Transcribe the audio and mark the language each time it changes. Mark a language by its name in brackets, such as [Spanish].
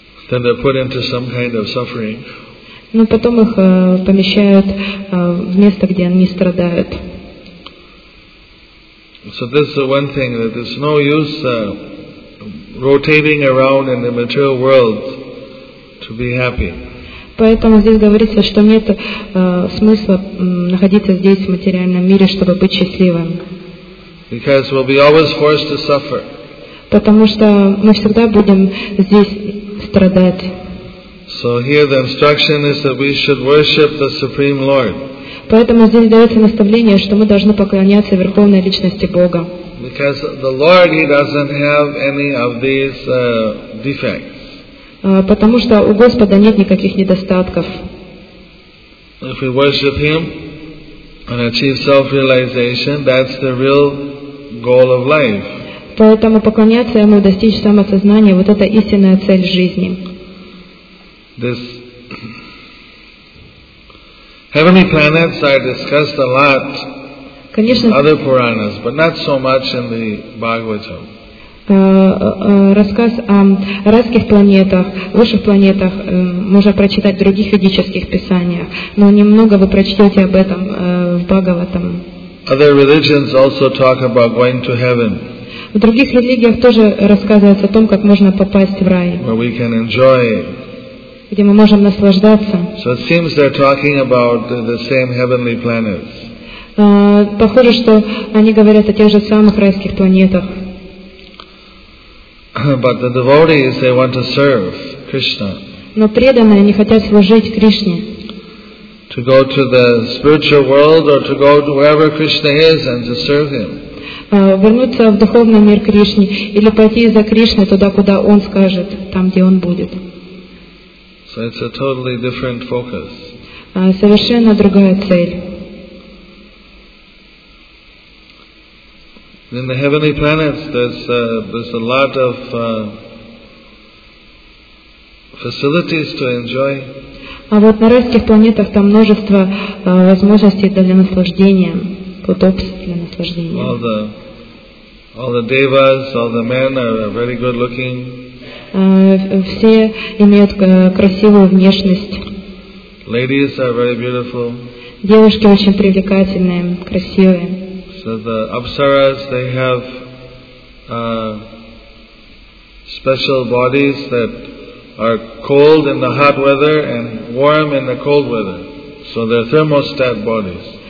[English] Then they're put into some kind of suffering. [Russian] Но потом их помещают в место, где они страдают. [English] So this is one thing, that there's no use rotating around in the material world to be happy. [Russian] Поэтому здесь говорится, что нет смысла находиться здесь, в материальном мире, чтобы быть счастливым. [English] Because we'll be always forced to suffer. [Russian] Потому что мы всегда будем здесь страдать. [English] So here the instruction is that we should worship the Supreme Lord. [Russian] Поэтому здесь дается наставление, что мы должны поклоняться Верховной Личности Бога. [English] Because the Lord, He doesn't have any of these defects. [Russian] Потому что у Господа нет никаких недостатков. [English] If we worship Him and achieve self-realization, that's the real goal of life. [Russian] Поэтому поклоняться Ему, достичь самосознания, вот это истинная цель жизни. [English] This heavenly planets are discussed a lot [Russian] Конечно, [English] in other Puranas, but not so much in the Bhagavatam. [Russian] Рассказ о райских планетах, высших планетах можно прочитать в других ведических писаниях, но немного вы прочтете об этом в Бхагаватам. [English] Other religions also talk about going to heaven. [Russian] В других религиях тоже рассказывается о том, как можно попасть в рай. [English] Where we can enjoy. [Russian] Где мы можем наслаждаться. [English] So it seems they're talking about the same heavenly planets. [Russian] Похоже, что они говорят о тех же самых райских планетах. [English] But the devotees, they want to serve Krishna. [Russian] Но преданные, они хотят служить Кришне. [English] To go to the spiritual world or to go to wherever Krishna is and to serve Him. [Russian] Вернуться в духовный мир Кришне или пойти за Кришной туда, куда Он скажет, там, где Он будет. [English] So it's a totally different focus. [Russian] Совершенно другая цель. [English] In the heavenly planets, there's a lot of facilities to enjoy. [Russian] А вот на райских планетах там множество возможностей для наслаждения, удобств для наслаждения. [English] All the devas, all the men are very good looking. [Russian] Все имеют красивую внешность. [English] Ladies are very beautiful. [Russian] Девушки очень привлекательные, красивые. [English] So the apsaras, they have special bodies that are cold in the hot weather and warm in the cold weather. So they're thermostat bodies.